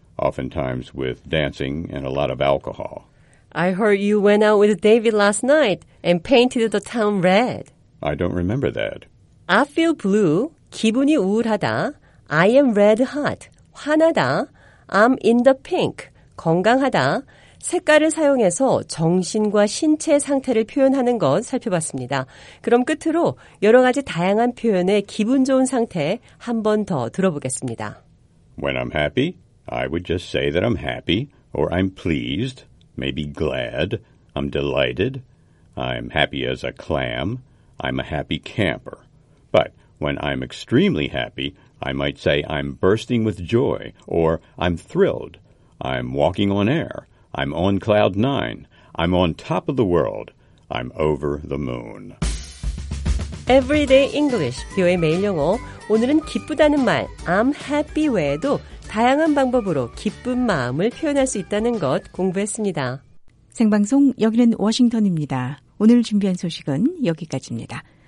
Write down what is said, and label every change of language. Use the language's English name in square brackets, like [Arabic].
[English] Oftentimes with dancing and a lot of alcohol. I heard you went out with David last night and painted the town red. I don't remember that. I feel blue, [Korean] 기분이 우울하다. [English] I am red hot, [Korean] 화나다. [English] I'm in the pink, [Korean] 건강하다. 색깔을 사용해서 정신과 신체 상태를 표현하는 것 살펴봤습니다. 그럼 끝으로 여러 가지 다양한 표현의 기분 좋은 상태 한 번 더 들어보겠습니다. [English] When I'm happy, I would just say that I'm happy, or I'm pleased, maybe glad, I'm delighted, I'm happy as a clam, I'm a happy camper. But when I'm extremely happy, I might say I'm bursting with joy, or I'm thrilled, I'm walking on air, I'm on cloud nine, I'm on top of the world, I'm over the moon. [Korean] Everyday English, 뷰의 매일 영어. 오늘은 기쁘다는 말, [English] I'm happy [Korean] 외에도 다양한 방법으로 기쁜 마음을 표현할 수 있다는 것 공부했습니다. 생방송 여기는 워싱턴입니다. 오늘 준비한 소식은 여기까지입니다.